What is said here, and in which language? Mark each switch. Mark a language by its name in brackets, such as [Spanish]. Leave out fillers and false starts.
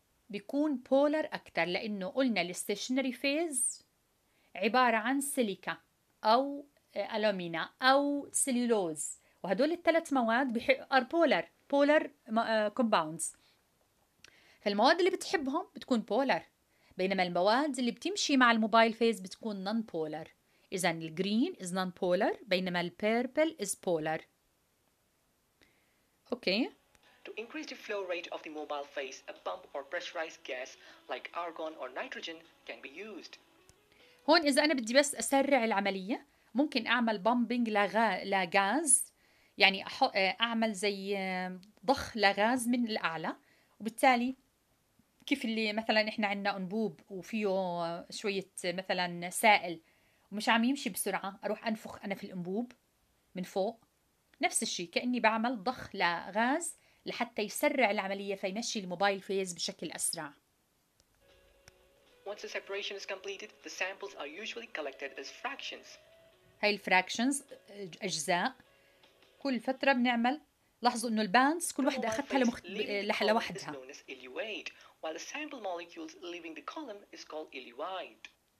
[Arabic] بيكون بولر أكتر، لأنه قلنا الستيشنري فيز عبارة عن سيليكا أو ألومينا أو سليلوز، وهدول الثلاث مواد بيحب بولر كومباوندز، فالمواد اللي بتحبهم بتكون بولر، بينما المواد اللي بتمشي مع الموبايل فيز بتكون نون بولر. إذن الجرين is نون بولر بينما البيربل is بولر. أوكي. [English] To increase the flow rate of the mobile phase, a bump or pressurized gas like argon or nitrogen can be used. [Arabic] هون إذا أنا بدي بس أسرع العملية ممكن أعمل بامبينج لغاز، يعني أعمل زي ضخ لغاز من الأعلى، وبالتالي كيف اللي مثلا إحنا عندنا أنبوب وفيه شوية مثلا سائل ومش عم يمشي بسرعة، أروح أنفخ أنا في الأنبوب من فوق، نفس الشيء كأني بعمل ضخ لغاز لحتى يسرع العملية فيمشي الموبايل فيز بشكل أسرع. [English] Once the separation is completed, the samples are usually collected as fractions. [Arabic] هاي الفراكشنز أجزاء، كل فترة بنعمل، لاحظوا إنه الباندز كل واحدة أخذتها لوحدها. [English] While the sample molecules leaving the column is called eluate.